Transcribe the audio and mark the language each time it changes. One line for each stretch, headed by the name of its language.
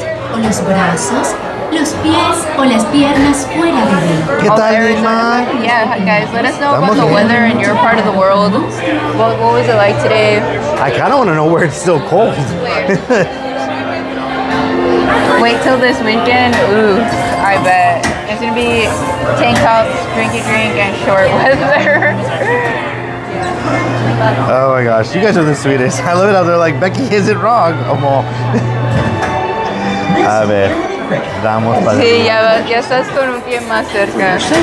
Spanish: ¿Con los brazos, los pies o las piernas fuera de él? ¿Qué tal, Irma?
English: Yeah, guys, let us know about the weather in your part of the world. What was it like today? I kind of want to know where it's still cold. Wait till this weekend? Ooh, I bet. It's gonna be tank tops, drinky drink, and short weather. Oh my gosh, you guys are the sweetest. I love it how they're like, Becky isn't wrong, Amo.
Spanish: A ver, damos sí, para. Sí, ya estás con un pie más cerca.